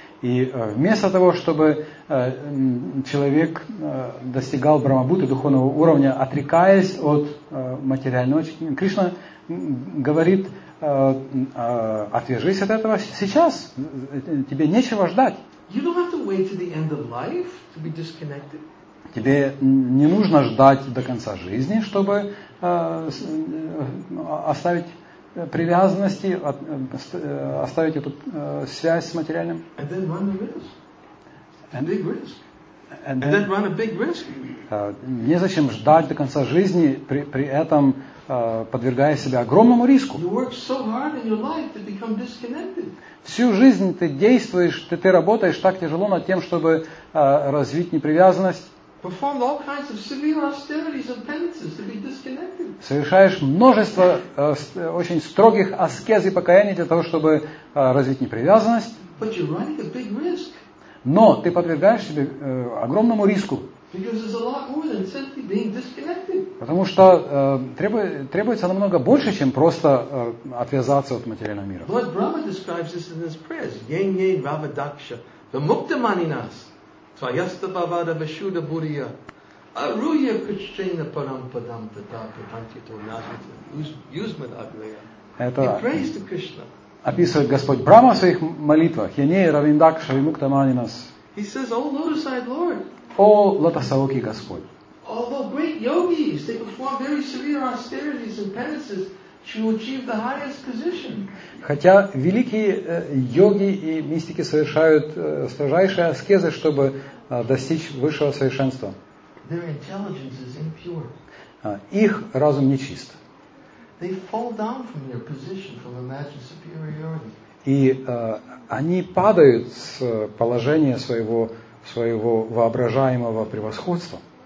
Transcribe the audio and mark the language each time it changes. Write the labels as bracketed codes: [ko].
[ru] И вместо того, чтобы человек достигал Брахмабуты духовного уровня, отрекаясь от материального, Кришна говорит, отвяжись от этого сейчас, тебе нечего ждать. [en] You don't have to wait till the end of life to be disconnected. [ru] Тебе не нужно ждать до конца жизни, чтобы оставить привязанности, оставить эту связь с материальным. [en] And then run the risk. It's a big risk. And then run a big risk. [ru] Незачем ждать до конца жизни, при этом подвергая себя огромному риску. [en] You work so hard in your life to become disconnected. [ru] Всю жизнь ты действуешь, ты работаешь так тяжело над тем, чтобы развить непривязанность. [en] Performed all kinds of severe austerities and penances to be disconnected. [ru] Совершаешь множество очень строгих аскез и покаяний для того, чтобы развить непривязанность. [en] But you're running a big risk. [ru] Но ты подвергаешь себе огромному риску. [en] Because there's a lot more than simply being disconnected. [ru] Потому что требуется намного больше, чем просто отвязаться от материального мира. [en] Lord Brahma describes this in his prayers: [sa] Yen Yen Rava Daksha, the Muktamani Nas. [ru] Это описывает Господь Брахма в своих молитвах. [sa] Янея Равиндакша Вимуктаманинас. [en] He says, O Lotus-eyed Lord. [ru] О лотосовокий Господь. [en] yogis, they perform very severe austerities and penances to achieve the highest position. [ru] Хотя великие йоги и мистики совершают строжайшие аскезы, чтобы достичь высшего совершенства. [en] Their intelligence is impure. [ru] Их разум нечист. [en] They fall down from their position, from imagined superiority. [ru] И они падают с положения своего воображаемого превосходства.